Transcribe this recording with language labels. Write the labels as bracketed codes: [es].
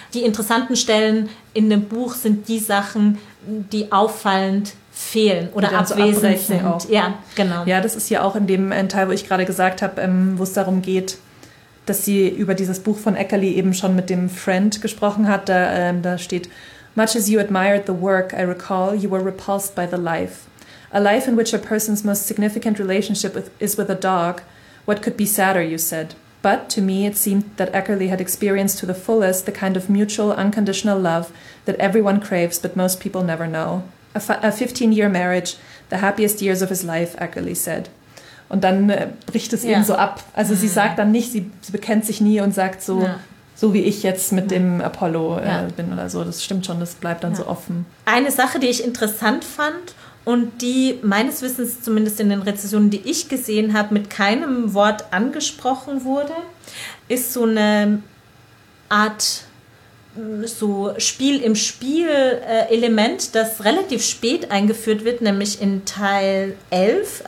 [de] Die interessanten Stellen in dem Buch sind die Sachen, die auffallend fehlen oder abwesend sind. Auch. Ja, genau. Ja, das ist ja auch in dem Teil, wo ich gerade gesagt habe, wo es darum geht, dass sie über dieses Buch von Eckerli eben schon mit dem Friend gesprochen hat. Da steht, [en] much as you admired the work, I recall, you were repulsed by the life. A life in which a person's most significant relationship is with a dog. What could be sadder, you said. But to me, it seemed that Eckerli had experienced to the fullest the kind of mutual, unconditional love that everyone craves, but most people never know. A 15-year marriage, the happiest years of his life, Eckerli said. [de] Und dann bricht es eben so ab. Also sie sagt dann nicht, sie bekennt sich nie und sagt so, so wie ich jetzt mit dem Apollo bin oder so. Das stimmt schon, das bleibt dann so offen. Eine Sache, die ich interessant fand, und die meines Wissens zumindest in den Rezensionen, die ich gesehen habe, mit keinem Wort angesprochen wurde, ist so eine Art so Spiel im Spiel Element, das relativ spät eingeführt wird, nämlich in Teil 11.